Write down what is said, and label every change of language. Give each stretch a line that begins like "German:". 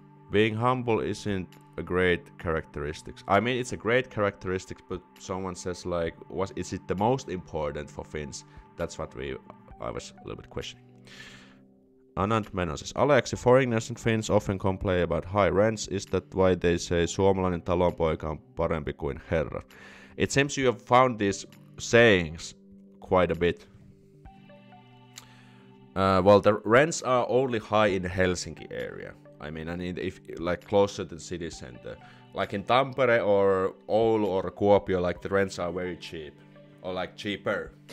English: Being humble isn't a great characteristic. I mean, it's a great characteristic, but someone says, like, what is it the most important for Finns? That's what I was a little bit questioning. Anant Menon says, Aleksi, foreigners and Finns often complain about high rents. Is that why they say
Finnish: suomalainen talonpoika on parempi kuin herra?
English: It seems you have found these sayings quite a bit. Well, the rents are only high in the Helsinki area. I mean, if like closer to the city center. Like in Tampere or Oulu or Kuopio, like the rents are very cheap. Or like cheaper.